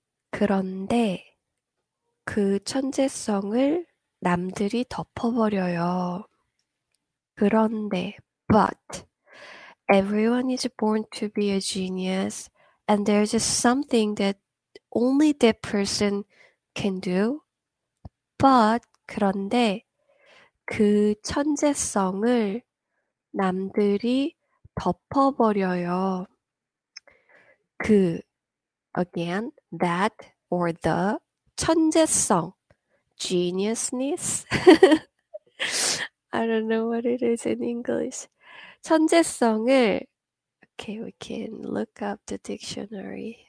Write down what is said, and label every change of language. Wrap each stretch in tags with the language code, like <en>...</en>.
<ko>Kuronde 그 천재성을 남들이 덮어버려요. 그런데, but.</ko> <en>Everyone is born to be a genius, and there's just something that only that person can do.</en> <ko>But, 그런데, 그 천재성을 남들이 덮어버려요.</ko> <en>그, again, that or the 천재성, geniusness. I don't know what it is in English. 천재성을 Okay, we can look up the dictionary.</en>